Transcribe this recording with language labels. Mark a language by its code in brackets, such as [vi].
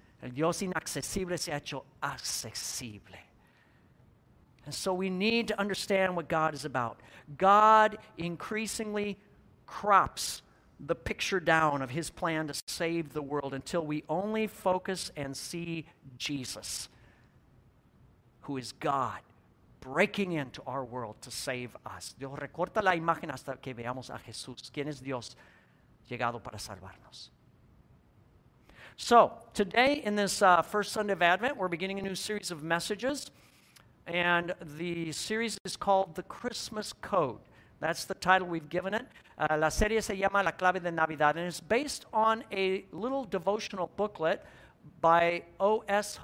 [es] El Dios inaccesible se ha hecho accesible. [en] And so we need to understand what God is about. God increasingly crops the picture down of his plan to save the world until we only focus and see Jesus, who is God, breaking into our world to save us. [es] Dios recorta la imagen hasta que veamos a Jesús, quien es Dios llegado para salvarnos. [en] So, today in this first Sunday of Advent, we're beginning a new series of messages, and the series is called The Christmas Code. That's the title we've given it. [es] La serie se llama La Clave de Navidad, [en] and it's based on a little devotional booklet by O.S.